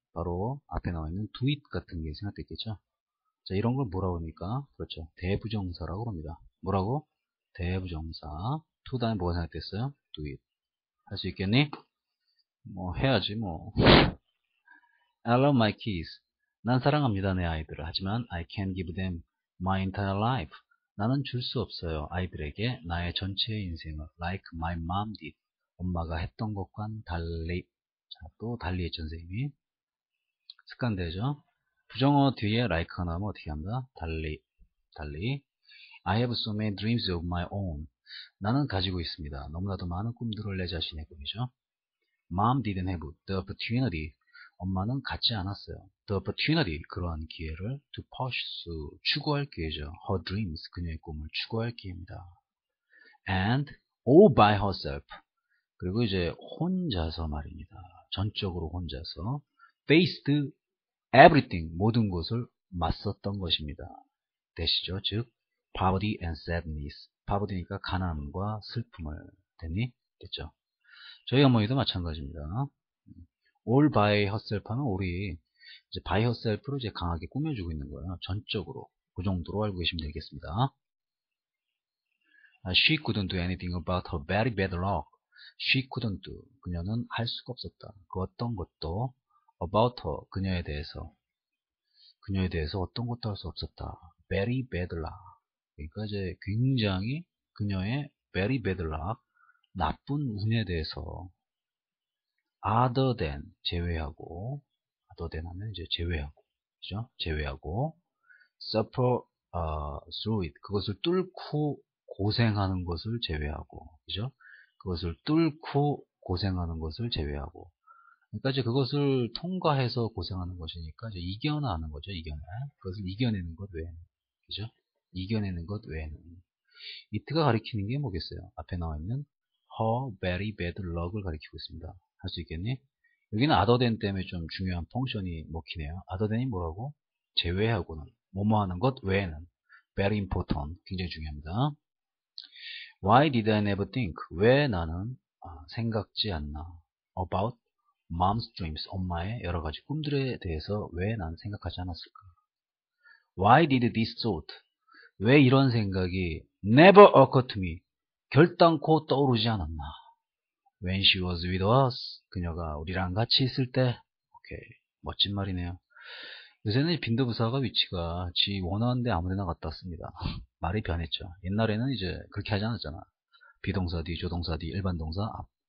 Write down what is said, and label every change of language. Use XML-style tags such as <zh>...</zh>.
<ko>바로 앞에 나와 있는</ko> <en>do it</en> <ko>같은 게 생각됐겠죠. 자, 이런 걸 뭐라고 합니까? 그렇죠. 대부정사라고 합니다. 뭐라고? 대부정사. to 다음에 뭐가 생각됐어요?</ko> <en>do it.</en> <ko>할수 있겠니? 뭐 해야지 뭐.</ko> <en>I love my kids.</en> <ko>난 사랑합니다, 내 아이들을. 하지만</ko> <en>I can't give them my entire life.</en> <ko>나는 줄수 없어요. 아이들에게 나의 전체 인생을</ko> <en>like my mom did.</en> <ko>엄마가 했던 것과는 달리. 자, 또 달리의 전세임이 습관되죠. 부정어 뒤에 like가 나오면 어떻게 한다? 달리. 달리.</ko> <en>I have so many dreams of my own.</en> <ko>나는 가지고 있습니다. 너무나도 많은 꿈들을 내 자신의 꿈이죠.</ko> <en>Mom didn't have the opportunity.</en> <ko>엄마는 갖지 않았어요.</ko> <en>The opportunity,</en> <ko>그러한 기회를</ko> <en>to pursue,</en> <ko>추구할 기회죠.</ko> <en>Her dreams,</en> <ko>그녀의 꿈을 추구할 기회입니다.</ko> <en>And all by herself.</en> <ko>그리고 이제 혼자서 말입니다. 전적으로 혼자서</ko> <en>faced everything,</en> <ko>모든 것을 맞섰던 것입니다. 되시죠? 즉,</ko> <en>poverty and sadness.</en> <ko>poverty니까 가난과 슬픔을. 되니? 됐죠? 저희 어머니도 마찬가지입니다.</ko> <en>All by herself</en> <ko>하면 우리 이제</ko> <en>by herself</en> <ko>로 이제 강하게 꾸며주고 있는 거예요. 전적으로. 그 정도로 알고 계시면 되겠습니다.</ko> <en>She couldn't do anything about her very bad luck. She couldn't do.</en> <ko>그녀는 할 수가 없었다. 그 어떤 것도</ko> <en>about her.</en> <ko>그녀에 대해서. 그녀에 대해서 어떤 것도 할수 없었다.</ko> <en>Very bad luck.</en> <ko>그러니까 이제 굉장히 그녀의</ko> <en>very bad luck.</en> <ko>나쁜 운에 대해서</ko> <en>other than,</en> <ko>제외하고, other than 하면 이제 제외하고, 그죠? 제외하고,</ko> <en>suffer, through it.</en> <ko>그것을 뚫고 고생하는 것을 제외하고, 그죠? 그것을 뚫고 고생하는 것을 제외하고. 그러니까 이제 그것을 통과해서 고생하는 것이니까 이제 이겨나는 거죠, 이겨내. 그것을 이겨내는 것 외에는, 그죠? 이겨내는 것 외에는. it가 가리키는 게 뭐겠어요? 앞에 나와 있는</ko> <en>her very bad luck</en> <ko>을 가리키고 있습니다. 할수 있겠니? 여기는</ko> <en>other than</en> <ko>때문에 좀 중요한 펑션이 먹히네요. other than이 뭐라고? 제외하고는. 뭐뭐 하는 것 외에는.</ko> <en>very important.</en> <ko>굉장히 중요합니다.</ko> <en>Why did I never think?</en> <ko>왜 나는 생각지 않나?</ko> <en>About mom's dreams.</en> <ko>엄마의 여러 가지 꿈들에 대해서 왜 나는 생각하지 않았을까?</ko> <en>Why did this thought?</en> <ko>왜 이런 생각이</ko> <en>never occurred to me?</en> <ko>결단코 떠오르지 않았나?</ko> <en>When she was with us,</en> <ko>그녀가 우리랑 같이 있을 때, 오케이, 멋진 말이네요. 요새는 빈도부사가 위치가 지 원하는 데 아무 데나 갖다 씁니다. 말이 변했죠. 옛날에는 이제 그렇게 하지 않았잖아. 비동사 뒤, 조동사 뒤, 일반 동사 앞.</ko>